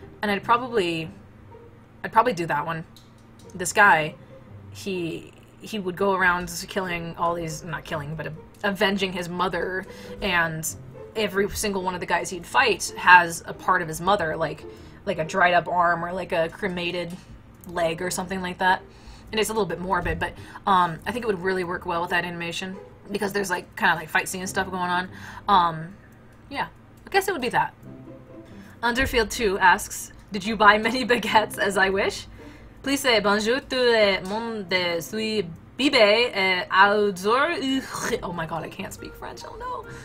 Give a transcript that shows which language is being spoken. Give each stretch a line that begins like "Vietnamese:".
English: And I'd probably do that one. This guy, he would go around killing all these, not killing, but avenging his mother, and every single one of the guys he'd fight has a part of his mother, like a dried up arm or like a cremated leg or something like that. And it's a little bit morbid, but I think it would really work well with that animation because there's like kind of like fight scene stuff going on. Yeah, I guess it would be that. Underfield 2 asks, did you buy many baguettes as I wish? Please say
French: bonjour tout le monde, je suis Bibé et Aldor.
English: Oh my god, I can't speak French, oh no.